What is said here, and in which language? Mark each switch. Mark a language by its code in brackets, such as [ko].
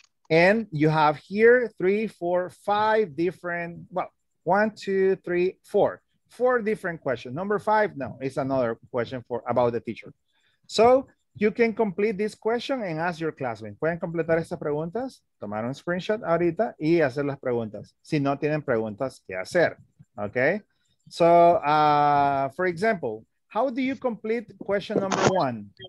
[en] And you have here 3, 4, 5 different, well, 1, 2, 3, 4, 4 different questions. Number 5, no, it's another question for about the teacher. So you can complete this question and ask your classmates. [es] Pueden completar estas preguntas, tomar un screenshot ahorita y hacer las preguntas, si no tienen preguntas que hacer, okay? [en] So, for example, how do you complete question number 1?